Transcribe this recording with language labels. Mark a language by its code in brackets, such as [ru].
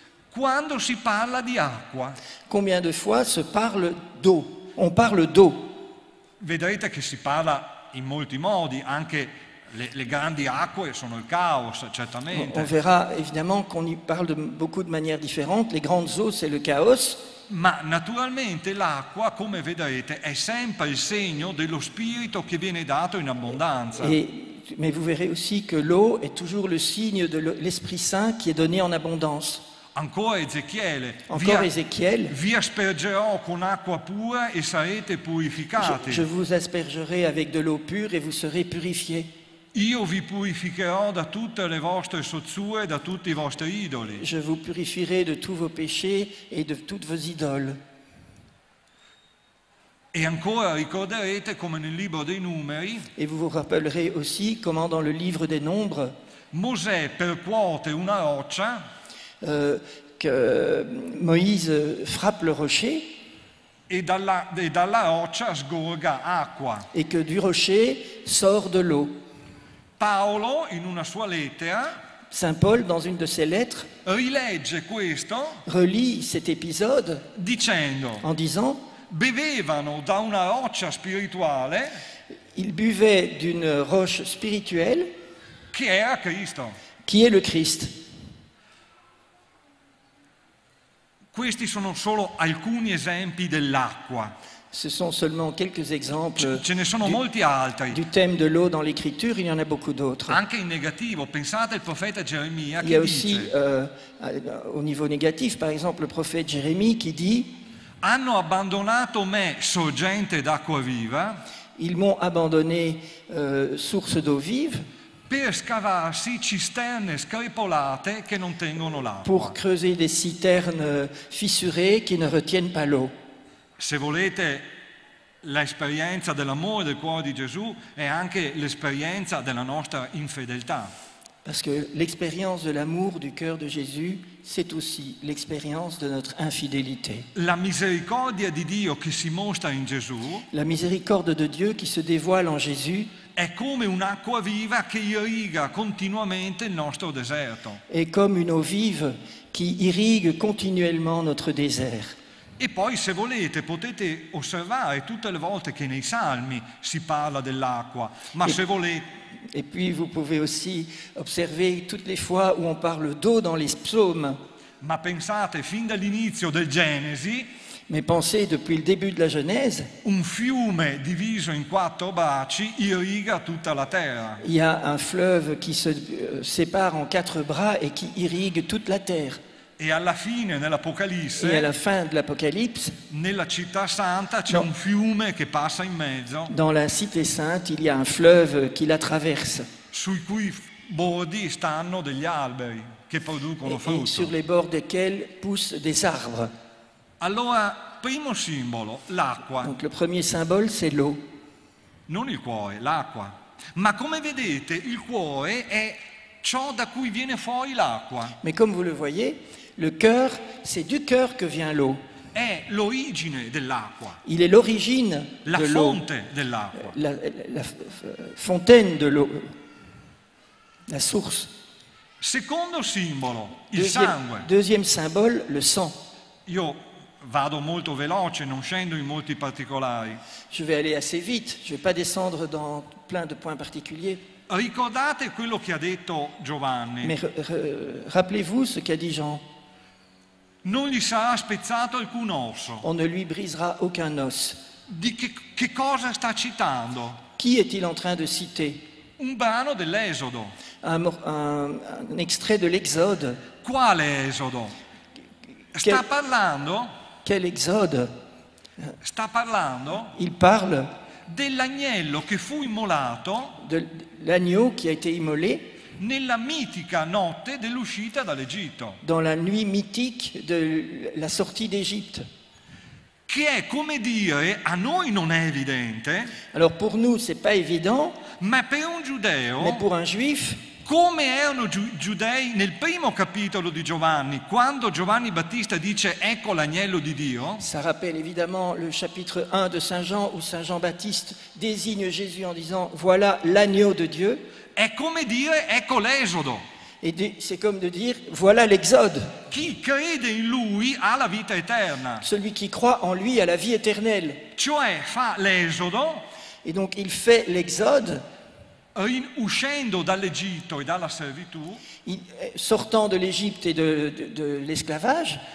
[it] Quando si parla di acqua. [fr] Combien de fois se parle d'eau. On parle d'eau. [it] Vedrete che si parla in molti modi, anche le grandi acque sono il caos, certamente. [fr] On verra évidemment qu'on y parle de beaucoup de manières différentes. Les grandes eaux, c'est le chaos. [it] Ma naturalmente l'acqua, come vedrete, è sempre il segno dello spirito che viene dato in abbondanza. [fr] Mais vous verrez aussi que l'eau est toujours le signe de l'Esprit Saint qui est donné en abondance. [it] Ancora Ezechiele. [fr] Encore Ezechiele. [it] Vi aspergerò con acqua pura e sarete purificati. [fr] Je vous aspergerai avec de l'eau pure et vous serez purifiés. [it] Io vi purificherò da tutte le vostre sozzure e da tutti i vostri idoli. [fr] Je vous purifierai de tous vos péchés et de toutes vos idoles. [it] E ancora ricorderete come nel libro dei numeri. [fr] Et vous vous rappellerez aussi comment dans le livre des nombres. [it] Mosè percuote una roccia. [fr] Que Moïse frappe le rocher. [it] E dalla roccia sgorga acqua. [fr] Et que du rocher sort de l'eau. [it] Paolo, in una sua lettera, [fr] Saint Paul, dans une de ses lettres, [it] rilegge questo, [fr] relit cet épisode [it] dicendo, [fr] en disant, [it] bevevano da una roccia spirituale, [fr] il buvait d'une roche spirituelle [it] che era Cristo. [fr] Qui est le Christ. [it] Questi sono solo alcuni esempi dell'acqua. [fr] Ce sont seulement quelques exemples [it] ce ne sono molti altri. [fr] Du thème de l'eau dans l'Écriture, il y en a beaucoup d'autres. [it] Anche in negativo, pensate al profeta Geremia che dice. [fr] Au niveau négatif, par exemple, le prophète Jérémie qui dit. [it] Hanno abbandonato me, sorgente d'acqua viva. [fr] Ils m'ont abandonné, source d'eau vive. [it] Per scavarsi cisterne screpolate che non tengono l'acqua. [fr] Pour creuser des citernes fissurées qui ne retiennent pas l'eau. [it] Se volete, l'esperienza dell'amore del cuore di Gesù è anche l'esperienza della nostra infedeltà. [fr] Parce que l'expérience de l'amour du cœur de Jésus, c'est aussi l'expérience de notre infidélité. [it] La misericordia di Dio che si mostra in Gesù. [fr] La miséricorde de Dieu qui se dévoile en Jésus. [it] È come un'acqua viva che irriga continuamente il nostro deserto. [fr] È come une eau vive qui irrigue continuellement notre désert. [it] E poi, se volete, potete osservare tutte le volte che nei Salmi si parla dell'acqua. Ma se volete. [fr] Et puis vous pouvez aussi observer toutes les fois où on parle d'eau dans les psaumes. [it] Ma pensate fin dall'inizio del Genesi. [fr] Mais pensez depuis le début de la Genèse. [it] Un fiume diviso in quattro bracci irriga tutta la terra. [fr] Il y a un fleuve qui se sépare en quatre bras et qui irrigue toute la terre. [it] E alla fine nell'Apocalisse. [fr] Et à la fin de l'Apocalypse. [it] Nella città santa c'è un fiume che passa in mezzo. [fr] Dans la cité sainte, il y a un fleuve qui la traverse. [it] Sui cui bordi stanno degli alberi che producono frutto. [fr] E sur les bords desquels poussent des arbres. [it] Allora, primo simbolo, l'acqua. [fr] Donc le premier symbole c'est l'eau. [it] Non il cuore, l'acqua. Ma come vedete, il cuore è ciò da cui viene fuori l'acqua. [fr] Mais comme vous le voyez, le cœur, c'est du cœur que vient l'eau. [it] È l'origine dell'acqua. [fr] Il est l'origine [it] la [fr] de [it] fonte [fr] l'eau. [it] Dell'acqua. [fr] La fontaine de l'eau. La source. [it] Secondo simbolo, il sangue. [fr] Deuxième symbole, le sang. [it] Io vado molto veloce, non scendo in molti particolari. [fr] Je vais aller assez vite, je vais pas descendre dans plein de points particuliers. [it] Ricordate quello che ha detto Giovanni. [fr] Mais rappelez-vous ce qu'a dit Jean. [it] Non gli sarà spezzato alcun osso. [fr] On ne lui brisera aucun os. [it] Di che cosa sta citando? [fr] Chi est-il en train de citer? [it] Un brano dell'Esodo. [fr] Un extrait de l'Exode. [it] Quale Esodo? Sta parlando? [fr] Quel Exode? [it] Sta parlando? [fr] Il parle [it] dell'agnello che fu immolato. [fr] L'agneau qui a été immolé. [it] Nella mitica notte dell'uscita dall'Egitto. [fr] Dans la nuit mythique de la sortie d'Égypte. [it] Che è come dire, a noi non è evidente. [fr] Alors pour nous c'est pas évident. [it] Ma per un giudeo. [fr] Mais pour un juif. [it] Come erano giudei nel primo capitolo di Giovanni, quando Giovanni Battista dice ecco l'agnello di Dio? [fr] Ça rappelle évidemment le chapitre 1 de Saint Jean où Saint Jean Baptiste désigne Jésus en disant voilà l'agneau de Dieu. [it] È come dire ecco l'esodo. [fr] Et c'est comme de dire voilà l'exode. [it] Chi crede in lui ha la vita eterna. [fr] Celui qui croit en lui a la vie éternelle. [it] Cioè fa l'esodo. [fr] Et donc il fait l'exode. [it] Uscendo dall'Egitto e dalla servitù. [fr] Sortant de l'Égypte et de l'esclavage.